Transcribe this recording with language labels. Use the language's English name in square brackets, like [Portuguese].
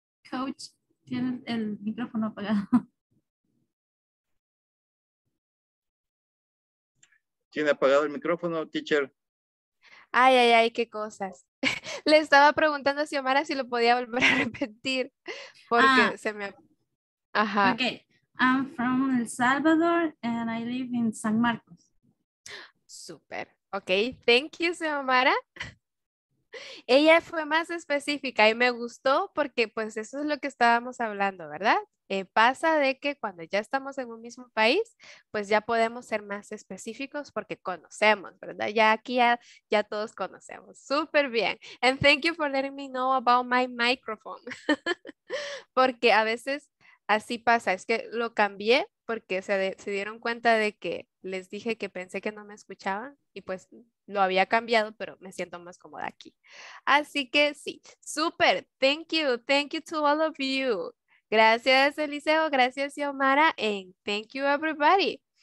[Spanish] Coach, tiene el micrófono apagado. ¿Tiene apagado el micrófono, teacher? Ay, ay, ay, qué cosas. Le estaba preguntando a Xiomara si lo podía volver a repetir. Porque se me... Ajá. Ok. [English] I'm from El Salvador and I live in San Marcos. Súper. Ok. Thank you, Xiomara. [Spanish] Ella fue más específica y me gustó porque pues eso es lo que estábamos hablando, ¿verdad? Pasa de que cuando ya estamos en un mismo país, pues ya podemos ser más específicos porque conocemos, ¿verdad? Ya aquí ya todos conocemos. Súper bien. [English] And thank you for letting me know about my microphone. [Spanish] Porque a veces así pasa. Es que lo cambié porque se dieron cuenta de que les dije que pensé que no me escuchaban y pues... Lo había cambiado, pero me siento más cómoda aquí. Así que sí, súper. [English] Thank you to all of you. [Spanish] Gracias, Eliseo, gracias, Xiomara, [English] and thank you, everybody.